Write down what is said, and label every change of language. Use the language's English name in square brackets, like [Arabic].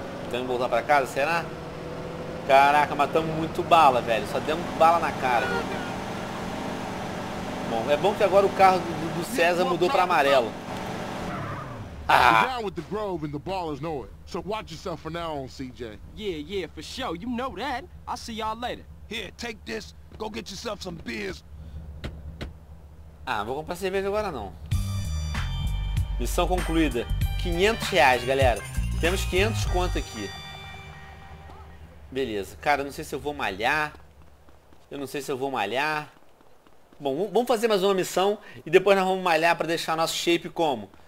[Portuguese] Tentando voltar pra casa, será? Caraca, matamos muito bala, velho. Só demos bala na cara. Bom, é bom que agora o carro do César mudou pra amarelo. Ah! [English] The Grove and the ballers know it. So watch yourself for now on, CJ. Yeah, yeah, for sure. You know that. I'll see y'all later. Here, take this. Go get yourself some beers. [Portuguese] Ah, vou comprar cerveja agora não. Missão concluída. R$500, galera. Temos 500 conto aqui. Beleza. Cara, não sei se eu vou malhar. Eu não sei se eu vou malhar. Bom, vamos fazer mais uma missão. E depois nós vamos malhar pra deixar nosso shape como?